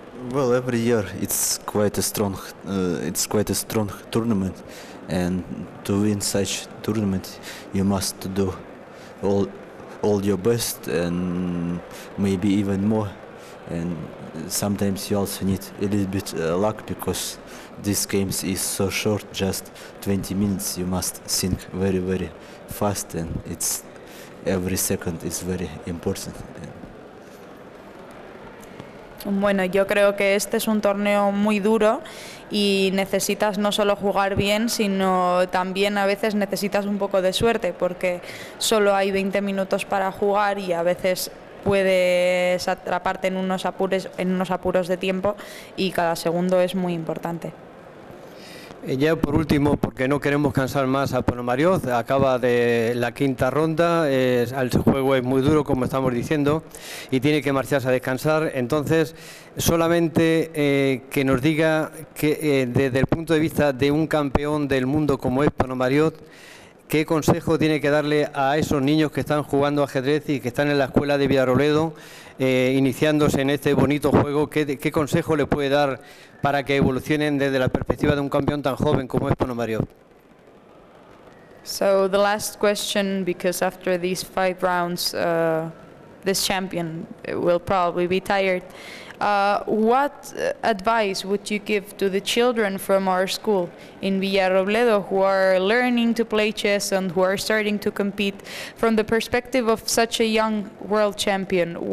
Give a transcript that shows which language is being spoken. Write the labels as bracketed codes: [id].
[en] Well, every year it's quite a strong tournament, and to win such tournament you must do all your best and maybe even more, and sometimes you also need a little bit luck because this game is so short, just 20 minutes. You must think very very fast, and it's every second is very important. [es] Bueno, yo creo que este es un torneo muy duro y necesitas no solo jugar bien, sino también a veces necesitas un poco de suerte, porque solo hay 20 minutos para jugar y a veces puedes atraparte en unos apuros de tiempo, y cada segundo es muy importante. Ya por último, porque no queremos cansar más a Ponomarioz, acaba de la quinta ronda, el juego es muy duro, como estamos diciendo, y tiene que marcharse a descansar. Entonces, solamente que nos diga que desde el punto de vista de un campeón del mundo como es Ponomarioz, ¿qué consejo tiene que darle a esos niños que están jugando ajedrez y que están en la escuela de Villarrobledo, iniciándose en este bonito juego? ¿Qué consejo le puede dar para que evolucionen desde la perspectiva de un campeón tan joven como es Ponomarioz? [en] So the last question, because after these five rounds, this champion will probably be tired. What advice would you give to the children from our school in Villarrobledo who are learning to play chess and who are starting to compete, from the perspective of such a young world champion?